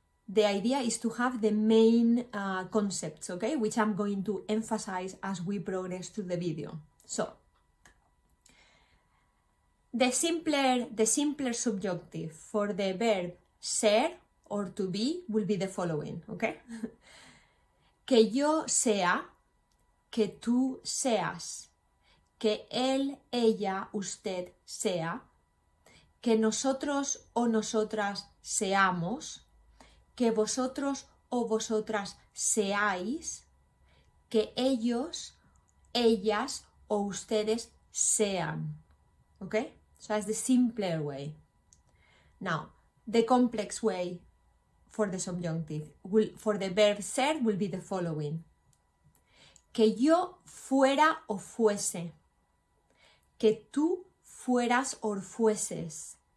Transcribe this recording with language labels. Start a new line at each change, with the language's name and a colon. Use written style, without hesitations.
English: The idea is to have the main concepts, okay? Which I'm going to emphasize as we progress through the video. So, the simpler subjunctive for the verb ser or to be will be the following, okay?
Spanish: Que yo sea, que tú seas, que él, ella, usted sea, que nosotros o nosotras seamos, que vosotros o vosotras seáis, que ellos, ellas o ustedes sean. ¿Ok?
English: So that's the simpler way. Now, the complex way for the subjunctive, for the verb ser, will be the following.
Spanish: Que yo fuera o fuese. Que tú fueras o fueses.